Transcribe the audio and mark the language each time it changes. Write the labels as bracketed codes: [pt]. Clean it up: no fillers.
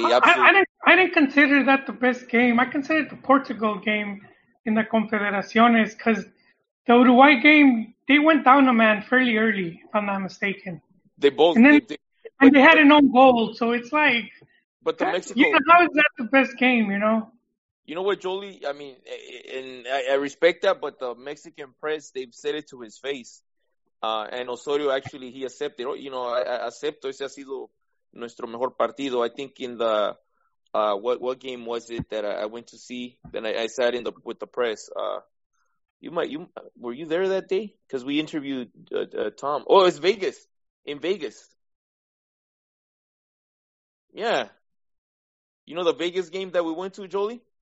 [en] I didn't consider that the best game. I considered the Portugal game in the Confederaciones because the Uruguay game, they went down a man fairly early, if I'm not mistaken. They had an own goal, so it's like. But the Mexico. You know, how is that the best game, you know? You know what, Jolie? I mean, and I respect that, but the Mexican press, they've said it to his face. And Osorio, actually, he accepted. You know, [es] acepto, ese ha sido nuestro mejor partido. [en] I think in the. What game was it that I went to see? Then I sat in with the press. Were you there that day? Because we interviewed Tom. Oh, it was Vegas. In Vegas. Yeah. You know the Vegas game that we went to, Jolie?